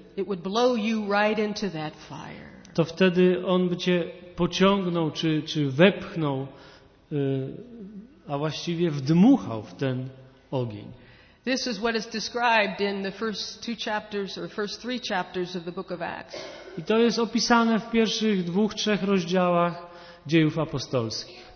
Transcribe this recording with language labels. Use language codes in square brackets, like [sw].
[en] it would blow you right into that fire. [pl] To wtedy on by cię pociągnął czy wepchnął, a właściwie wdmuchał w ten ogień. [en] This is what is described in the first two chapters or first three chapters of the book of Acts. [pl] I to jest opisane w pierwszych dwóch, trzech rozdziałach Dziejów Apostolskich.